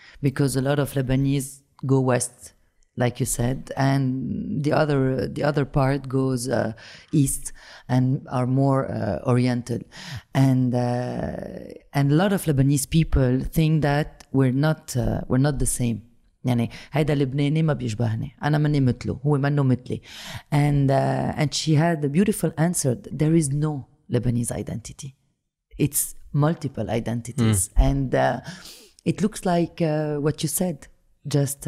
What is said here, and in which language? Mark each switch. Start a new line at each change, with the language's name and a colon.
English: Because a lot of Lebanese go west, like you said, and the other part goes east and are more oriented. And a lot of Lebanese people think that we're not the same.
Arabic: يعني هيدا لبناني ما بيشبهني انا ماني مثله هو منه مثلي
English: and she had a beautiful answer. There is no Lebanese identity, it's multiple identities. It looks like what you said just